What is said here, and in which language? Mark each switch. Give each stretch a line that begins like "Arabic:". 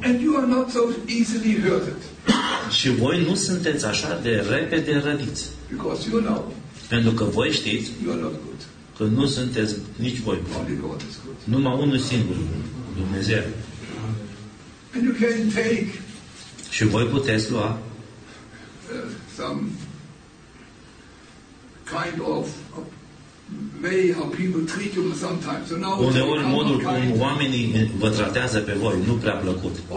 English: And you are not so easily hurt.
Romanian: Și voi nu sunteți așa de repede răniți.
English: Because you know,
Romanian: pentru că voi știți că nu sunteți nici voi buni. Numai unul singur, Dumnezeu.
English: And you can take,
Romanian: și voi puteți lua
English: some kind of way how people treat you sometimes. So now
Romanian: uneori modul cum oamenii vă tratează pe voi nu prea plăcut.